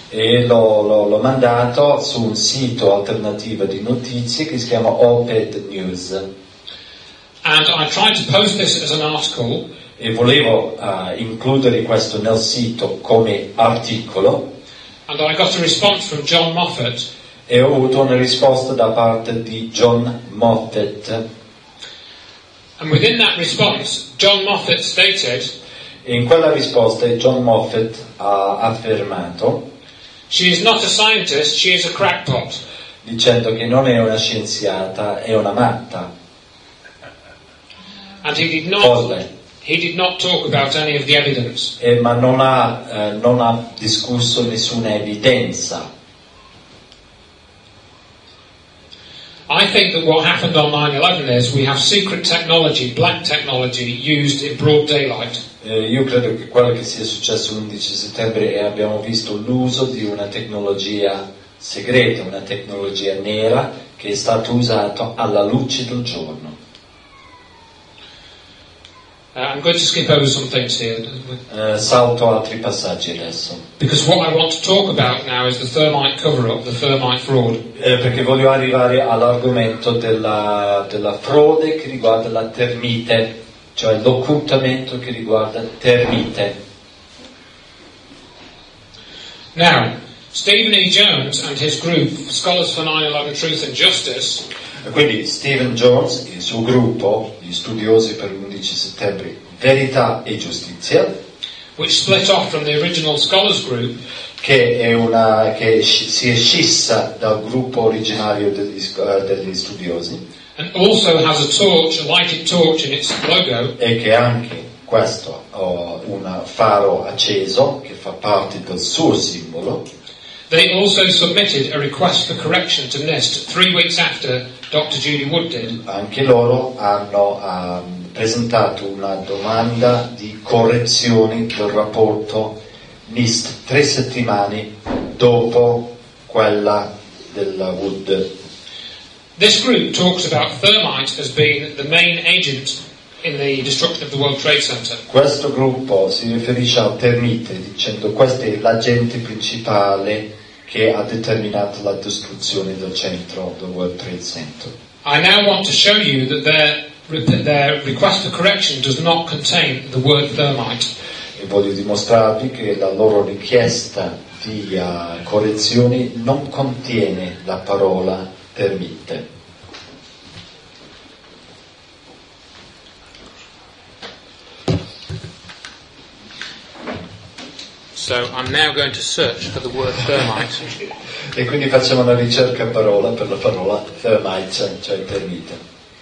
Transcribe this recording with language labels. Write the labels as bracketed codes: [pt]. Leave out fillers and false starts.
[it] E l'ho mandato su un sito alternativo di notizie che si chiama Op-Ed News. [en] And I tried to post this as an article. [it] E volevo includere questo nel sito come articolo. [en] And I got a response from John Moffat. [it] E ho avuto una risposta da parte di John Moffat. [en] And within that response, John Moffat stated. [it] E in quella risposta John Moffat ha affermato. [en] She is not a scientist, she is a crackpot. [it] Dicendo che non è una scienziata, è una matta. [en] And he did not folle. He did not talk about any of the evidence. [it] Ma non ha non ha discusso nessuna evidenza. [en] I think that what happened on 9/11 is we have secret technology, black technology, used in broad daylight. [it] Io credo che quello che sia successo l'11 settembre è abbiamo visto l'uso di una tecnologia segreta, una tecnologia nera che è stata usata alla luce del giorno. [en] I'm going to skip over some things here. [it] Salto altri passaggi adesso. [en] Because what I want to talk about now is the thermite cover-up, the thermite fraud. [it] Perché voglio arrivare all'argomento della frode che riguarda la termite, cioè l'occultamento che riguarda termite. [en] Now, Stephen E. Jones and his group, Scholars for 9/11 Truth and Justice. [it] Quindi Stephen Jones e il suo gruppo, gli studiosi per l'11 settembre, Verità e Giustizia, [en] which split off from the original scholars group, [it] che si è scissa dal gruppo originario degli studiosi, [en] and also has a torch, a lighted torch in its logo, [it] e che anche questo ha un faro acceso che fa parte del suo simbolo. [en] They also submitted a request for correction to NIST 3 weeks after Dr. Judy Wood did. [it] Anche loro hanno presentato una domanda di correzione del rapporto NIST 3 settimane dopo quella della Wood. [en] This group talks about thermite as being the main agent in the destruction of the World Trade Center. [it] Questo gruppo si riferisce al termite dicendo questo è l'agente principale che ha determinato la distruzione del centro del World Trade Center. [en] I now want to show you that their request for correction does not contain the word thermite. [it] E voglio dimostrarvi che la loro richiesta di correzione non contiene la parola termite. [en] So I'm now going to search for the word thermite. [it] E quindi facciamo una ricerca parola per la parola thermite, cioè termite.